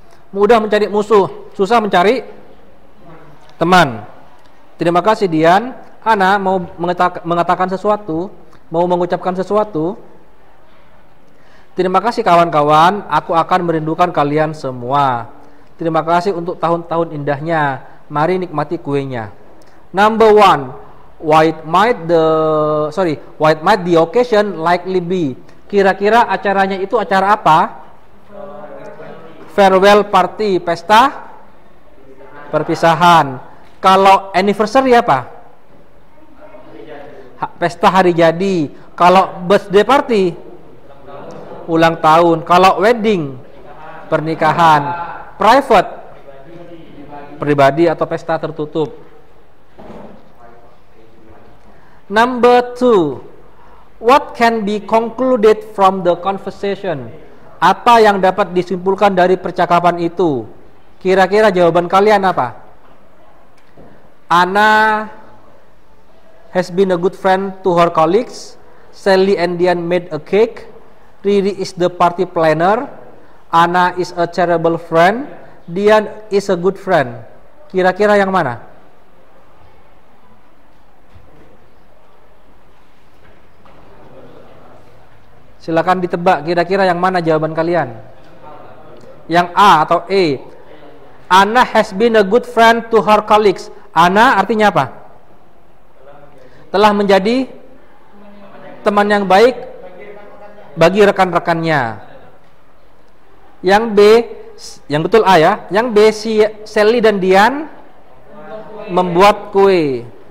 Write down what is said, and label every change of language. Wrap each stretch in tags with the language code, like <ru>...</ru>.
<id>Mudah mencari musuh, susah mencari teman. Terima kasih, Dian. Anna mau mengatakan sesuatu, mau mengucapkan sesuatu. Terima kasih, kawan-kawan. Aku akan merindukan kalian semua. Terima kasih untuk tahun-tahun indahnya. Mari nikmati kuenya.</id> <en>Number one, what might the occasion likely be?</en> <id>Kira-kira acaranya itu acara apa? Farewell party, pesta perpisahan. Kalau anniversary apa? pesta hari jadi, kalau birthday party ulang tahun, kalau wedding pernikahan, private pribadi atau pesta tertutup.</id> <en>Number two, what can be concluded from the conversation?</en> <id>Apa yang dapat disimpulkan dari percakapan itu? Kira-kira jawaban kalian apa?</id> <en>Anna has been a good friend to her colleagues. Sally and Diane made a cake. Riri is the party planner. Anna is a terrible friend. Diane is a good friend.</en> <id>Kira-kira yang mana? Silakan ditebak kira-kira yang mana jawaban kalian? Yang A atau E?</id> <en>Anna has been a good friend to her colleagues.</en> <id>Anna artinya apa? Telah menjadi teman yang baik bagi rekan-rekannya. Yang B, yang betul A ya. Yang B, si Sally dan Dian membuat kue.</id>